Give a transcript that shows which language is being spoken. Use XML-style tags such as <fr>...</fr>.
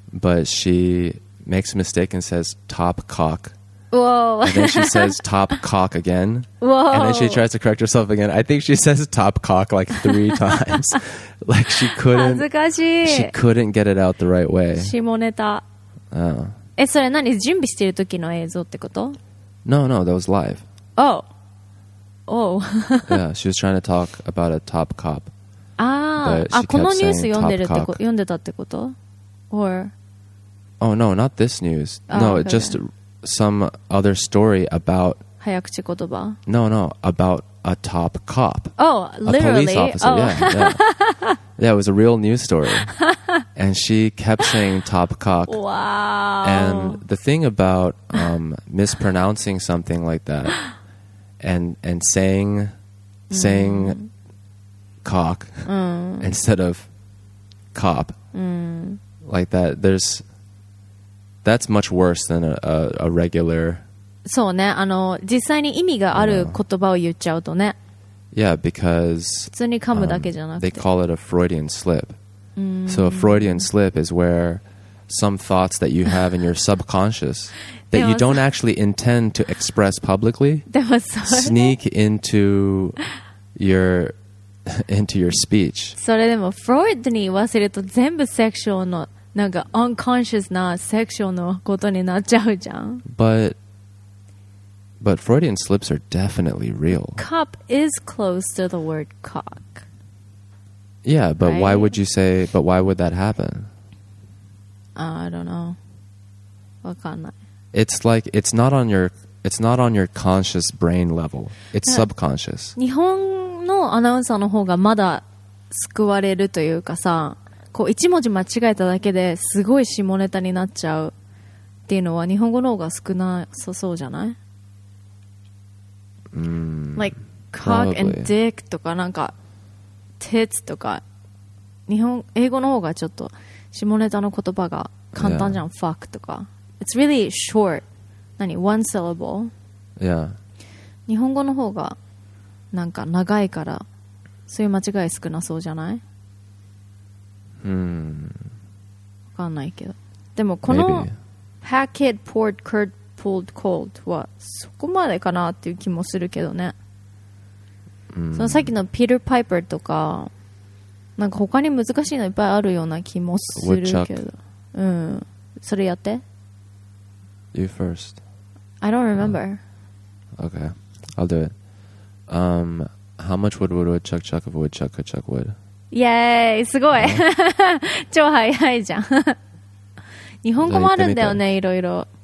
<en>but she makes a mistake and says top cock whoa and then she says top cock again whoa and then she tries to correct herself again I think she says top cock like three times like she couldn't get it out the right way</en> <ja>下ネタ、</ja> <en>oh.</en> <ja>えそれ何準備してる時の映像ってこと</ja> <en>no that was live oh yeah she was trying to talk about a top cop</en> <ja>あ、このニュース読んでるってこ、読んでたってこと?</ja> <en>Or? Oh no, not this news. No, just some other story about</en> <ja>早口言葉?</ja> <en>No, no, about a top cop. Oh, literally? A police officer, oh. yeah. Yeah, it was a real news story. And she kept saying top cop. Wow. And the thing about mispronouncing something like that and saying cock、 mm. instead of cop、 mm. like that there's that's much worse than a regular</en> <ja>そうねあの実際に意味がある言葉を言っちゃうとね</ja> <en>yeah because</en> <ja>普通に噛むだけじゃなくて</ja> <en>they call it a Freudian slip、 mm. so a Freudian slip is where some thoughts that you have in your subconscious that you don't actually intend to express publicly sneak into yourinto your speech.</en> <ja>それでもフロイトに言わせると全部セクシュアルのなんか unconscious なセクシュアルのことになっちゃうじゃん。</ja> <en>But Freudian slips are definitely real. Cup is close to the word cock. Yeah, but right? why would you say? But why would that happen? I don't know.</en> <ja>わかんない。</ja> <en>It's like it's not on your conscious brain level. It's subconscious.</en> <ja>日本のアナウンサーの方がまだ救われるというかさこう一文字間違えただけですごい下ネタになっちゃうっていうのは日本語の方が少なさそうじゃない、 mm.</ja> <en>Like cock and dick</en> <ja>とかなんか tits とか日本英語の方がちょっと下ネタの言葉が簡単じゃん、yeah.</ja> <en>fuck とか it's really short 何 one syllable yeah</en> <ja>日本語の方がなんか長いからそういう間違い少なそうじゃない？わかんないけどでもこの</ja> <en>hacked poured curd pulled cold</en> <ja>はそこまでかなっていう気もするけどね、そのさっきのピーターパイパーとかなんか他に難しいのいっぱいあるような気もするけど、それやって</ja> <en>You first I don't remember Okay I'll do itHow much wood would a woodchuck chuck if a woodchuck could chuck wood? Yay!</en> <ja>すごい超早いじゃん日本語もあるんだよね、いろいろ</ja>